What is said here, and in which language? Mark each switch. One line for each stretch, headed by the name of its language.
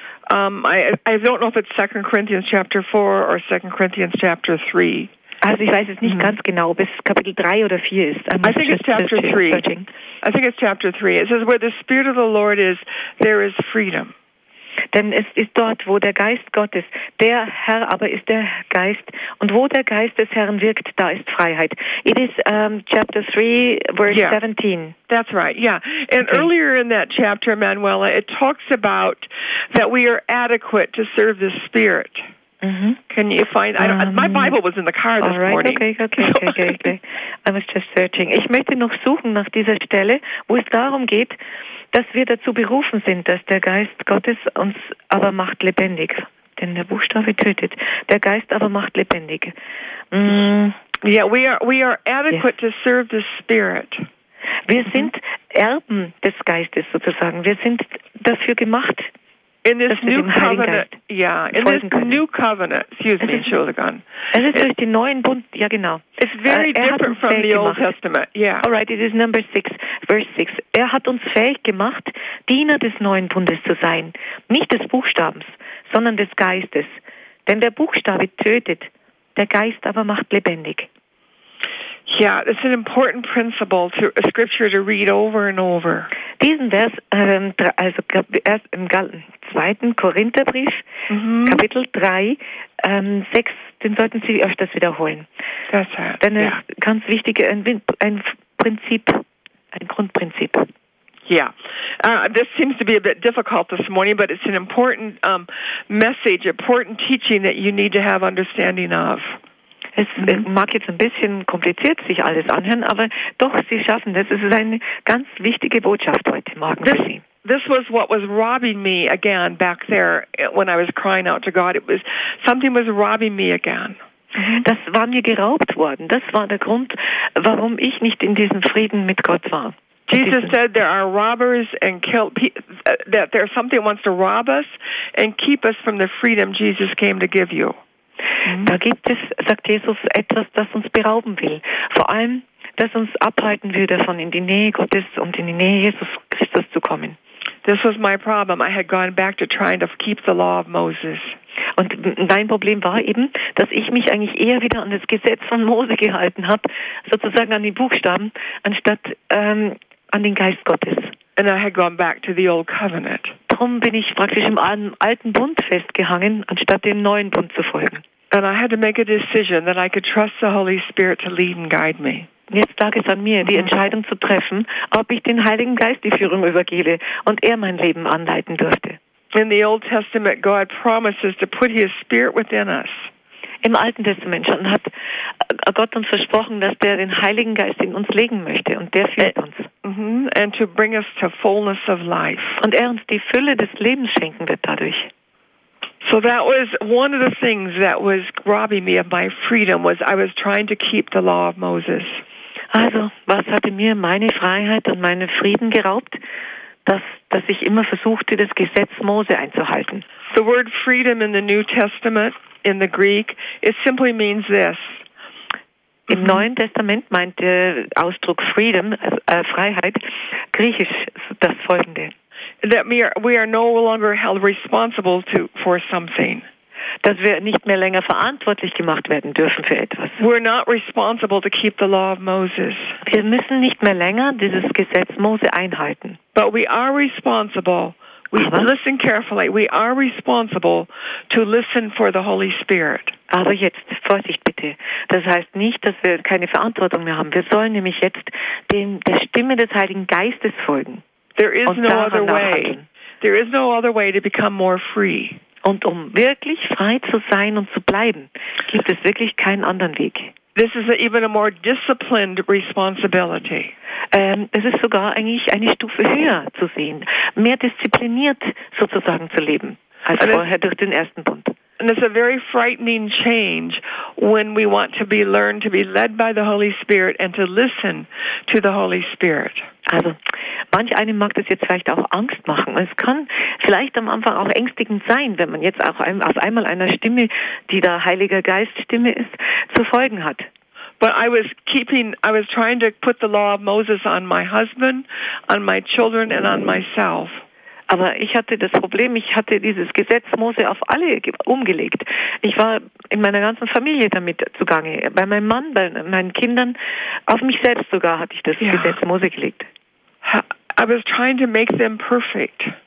English: I don't know if it's 2 Corinthians chapter 4 or 2 Corinthians chapter 3.
German: Also ich weiß es nicht ganz genau, ob es Kapitel 3 oder 4 ist.
English: I think it's chapter 3. I think it's chapter 3. It says, where the Spirit of the Lord is, there is freedom.
German: Denn es ist dort, wo der Geist Gottes, der Herr aber ist der Geist. Und wo der Geist des Herrn wirkt, da ist Freiheit.
English: It is chapter 3, verse 17. That's right, yeah. And okay. Earlier in that chapter, Manuela, it talks about that we are adequate to serve the Spirit. Mm-hmm. Can you find? My Bible was in the car this right, morning. Okay. I was just searching.
German: Ich möchte noch suchen nach dieser Stelle, wo es darum geht, dass wir dazu berufen sind, dass der Geist Gottes uns aber macht lebendig. Denn der Buchstabe tötet. Der Geist aber macht lebendig.
English: Yeah, we are adequate to serve the Spirit.
German: Wir sind Erben des Geistes sozusagen. Wir sind dafür gemacht.
English: In this new covenant, yeah, in this new covenant, excuse me, Schuldigan.
German: Es ist durch den neuen Bund, ja genau.
English: It's very different from the Old Testament, yeah. All right, it is number 6, verse 6.
German: Er hat uns fähig gemacht, Diener des neuen Bundes zu sein. Nicht des Buchstabens, sondern des Geistes. Denn der Buchstabe tötet, der Geist aber macht lebendig.
English: Yeah, it's an important principle to a scripture to read over and over.
German: Diesen Vers, also erst im 2. Korintherbrief, mm-hmm. Kapitel 3, 6, den sollten Sie öfters wiederholen.
English: That's right.
German: Denn es ist ganz wichtig, ein Prinzip, ein Grundprinzip.
English: Yeah, this seems to be a bit difficult this morning, but it's an important message, important teaching that you need to have understanding of.
German: Es mag jetzt ein bisschen kompliziert sich alles anhören, aber doch, Sie schaffen das. Es ist eine ganz wichtige Botschaft heute Morgen für Sie.
English: This was what was robbing me again back there when I was crying out to God. It was, something was robbing me again.
German: Das war mir geraubt worden. Das war der Grund, warum ich nicht in diesem Frieden mit Gott war.
English: Jesus said there are robbers and kill that there's something that wants to rob us and keep us from the freedom Jesus came to give you.
German: Da gibt es, sagt Jesus, etwas, das uns berauben will. Vor allem, das uns abhalten will, davon in die Nähe Gottes und in die Nähe Jesus Christus zu kommen.
English: This was my problem. I had gone back to trying to keep the law of Moses.
German: Und mein Problem war eben, dass ich mich eigentlich eher wieder an das Gesetz von Mose gehalten habe, sozusagen an die Buchstaben, anstatt an den Geist Gottes.
English: And I had gone back to the old covenant.
German: Darum bin ich praktisch im alten Bund festgehangen, anstatt dem neuen Bund zu folgen.
English: And I had to make a decision that I could trust the Holy Spirit to lead and guide me.
German: Jetzt lag es an mir, die Entscheidung zu treffen, ob ich den Heiligen Geist die Führung übergebe und er mein Leben anleiten dürfte.
English: In the Old Testament, God promises to put His Spirit within us.
German: Im Alten Testament schon hat Gott uns versprochen, dass der den Heiligen Geist in uns legen möchte und der führt uns.
English: And to bring us to fullness of life.
German: Und er uns die Fülle des Lebens schenken wird dadurch.
English: So that was one of the things that was robbing me of my freedom was I was trying to keep the law of Moses.
German: Also, was hatte mir meine Freiheit und meinen Frieden geraubt, dass ich immer versuchte, das Gesetz Mose einzuhalten?
English: The word freedom in the New Testament, in the Greek, it simply means this.
German: Im Neuen Testament meint der Ausdruck freedom, Freiheit, griechisch das folgende.
English: That we are no longer held responsible for something.
German: Dass wir nicht mehr länger verantwortlich gemacht werden dürfen für etwas.
English: We're not responsible to keep the law of Moses.
German: Wir müssen nicht mehr länger dieses Gesetz Mose einhalten.
English: But we are responsible. Listen carefully. We are responsible to listen for the Holy Spirit.
German: Aber jetzt, Vorsicht bitte. Das heißt nicht, dass wir keine Verantwortung mehr haben. Wir sollen nämlich jetzt der Stimme des Heiligen Geistes folgen.
English: There is no other way. There is no other way to become more free.
German: Und um wirklich frei zu sein und zu bleiben, gibt es wirklich keinen anderen Weg.
English: This is even a more disciplined responsibility.
German: Es ist sogar eigentlich eine Stufe höher zu sehen, mehr diszipliniert sozusagen zu leben als vorher durch den ersten Bund.
English: And it's a very frightening change when we want to be learned to be led by the Holy Spirit and to listen to the Holy Spirit.
German: Also, manch einem mag das jetzt vielleicht auch Angst machen. Es kann vielleicht am Anfang auch ängstigend sein, wenn man jetzt auch auf einmal einer Stimme, die da Heiliger Geist Stimme ist, zu folgen hat.
English: But I was trying to put the law of Moses on my husband, on my children and on myself.
German: Aber ich hatte das Problem, ich hatte dieses Gesetz Mose auf alle umgelegt. Ich war in meiner ganzen Familie damit zugange, bei meinem Mann, bei meinen Kindern, auf mich selbst sogar hatte ich das Gesetz Mose gelegt.
English: I was trying to make them perfect.